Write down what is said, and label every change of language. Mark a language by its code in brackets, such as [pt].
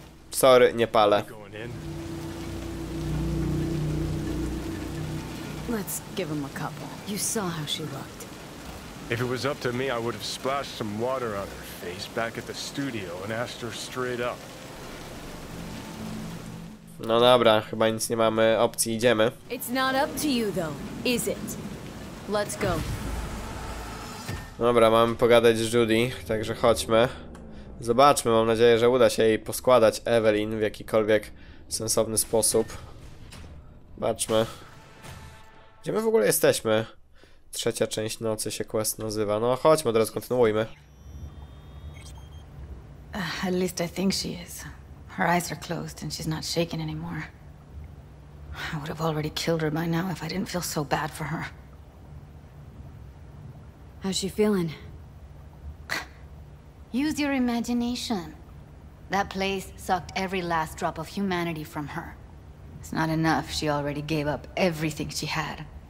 [pl] Sorry, nie palę. [en] Let's give him a couple. You saw how she looked. If it was up to me, I would have splashed some water on her face back at the studio and asked her straight up. [pl] No dobra, chyba nic nie mamy opcji, idziemy. [en] It's not up to you though, is it? Let's go. [pl] Dobra, mamy pogadać z Judy, także chodźmy. Zobaczmy, mam nadzieję, że uda się jej poskładać Evelyn w jakikolwiek sensowny sposób. Zobaczmy. Gdzie my w ogóle jesteśmy? Trzecia część nocy się quest nazywa. No chodźmy, od razu kontynuujmy. [en] At least I think she is. Her eyes are closed and she's not shaking anymore. I would have already killed her by now if I didn't feel so bad for her. How's she feeling? Use your imagination. That place sucked every last drop of humanity from her. It's not enough. She already gave up everything she had.